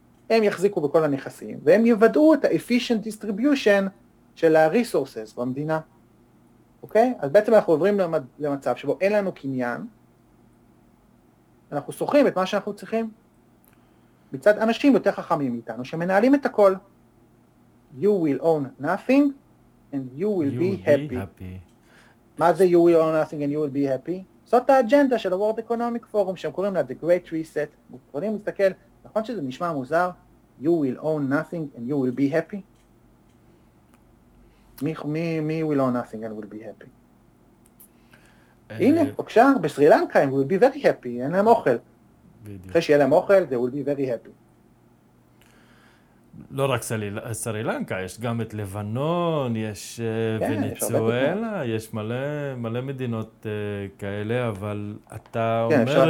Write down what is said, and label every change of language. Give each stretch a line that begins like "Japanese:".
Hebrew: הם יחזיקו בכל הנכסים, והם יוודאו את ה-
English: efficient distribution
Hebrew: של ה-resources במדינה. אוקיי? אז בעצם אנחנו עוברים למצב שבו אין לנו קניין, אנחנו שוכרים את מה שאנחנו צריכים. מצד אנשים יותר חכמים איתנו, שמנהלים את הכל.
English: You will own nothing, and you will be happy.
Hebrew: מה זה
English: you will own nothing and you will be happy?
Hebrew: זאת האג'נדה של ה-World Economic Forum, שהם קוראים לה The Great Reset. מוכנים להסתכל, נכון שזה נשמע מוזר?
English: You will own nothing and you will be happy?
Hebrew: מי
English: will own nothing and will be happy?
Hebrew: הנה, בבקשה, בסרילנקה הם
English: will be very happy,
Hebrew: אין להם אוכל. אחרי שיהיה להם אוכל,
English: they will be very happy.
Hebrew: לא רק סרילנקה, יש גם את לבנון, יש וניצואלה, יש מלא מדינות כאלה, אבל אתה אומר